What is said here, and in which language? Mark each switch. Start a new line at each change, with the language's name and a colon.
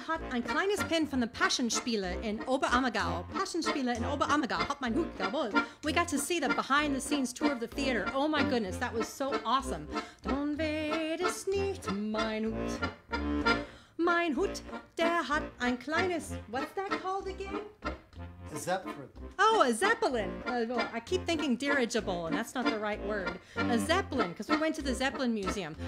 German: Ein kleines Pin
English: from the
German: Passionsspiele in Oberammergau. Passionsspiele in Oberammergau. Hat mein Hut, jawohl.
English: We got to see the behind-the-scenes tour of the theater. Oh my goodness, that was so awesome. Don't wait, it's
German: nicht mein Hut. Mein Hut, der hat ein kleines...
English: What's that called again? A Zeppelin. Oh, a Zeppelin. I keep thinking dirigible, and that's not the right word. A Zeppelin, because we went to the Zeppelin Museum.